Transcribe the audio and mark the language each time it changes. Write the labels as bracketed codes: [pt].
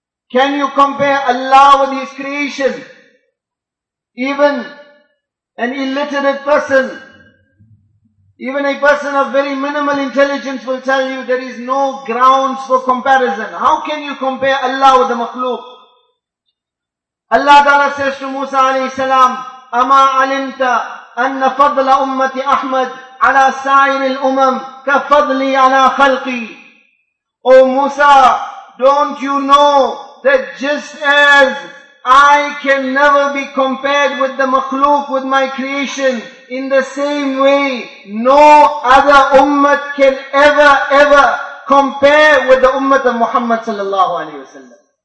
[en] Can you compare Allah with His creation? Even an illiterate person Even a person of very minimal intelligence will tell you there is no grounds for comparison. How can you compare Allah with the makhluk? Allah Ta'ala says to Musa alayhi salam, [ar] أَمَا عَلِمْتَ أَنَّ فَضْلَ أُمَّةِ أَحْمَدٍ عَلَى سَائِرِ الْأُمَمِ كَفَضْلِي عَلَى خَلْقِي. [en] O Musa, don't you know that just as I can never be compared with the makhluk, with my creation, in the same way, no other ummah can ever, ever compare with the ummah of Muhammad sallallahu alayhi wa sallam.